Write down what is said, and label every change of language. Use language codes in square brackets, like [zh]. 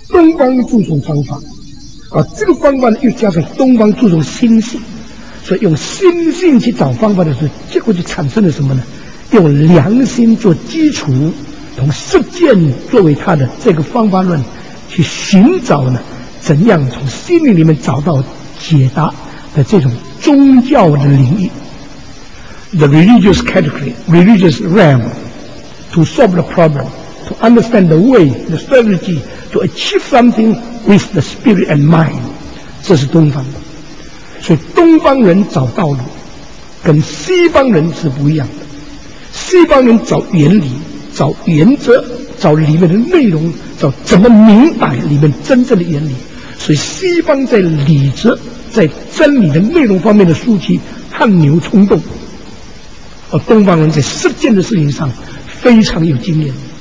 [zh] 东方注重方法，而这个方法又加上东方注重心性，所以用心性去找方法的时候，结果就产生了什么呢？用良心做基础，用实践作为他的这个方法论，去寻找呢，怎样从心灵里面找到解答的这种宗教的领域。 [en] The religious category, religious realm. To solve the problem, to understand the way, the strategy, to achieve something with the spirit and mind. [zh] 这是东方的。所以东方人找道路跟西方人是不一样的。西方人找原理、找原则、找里面的内容，找怎么明白里面真正的原理。所以西方在理智在真理的内容方面的书籍汗牛充栋，而东方人在实践的事情上非常有经验。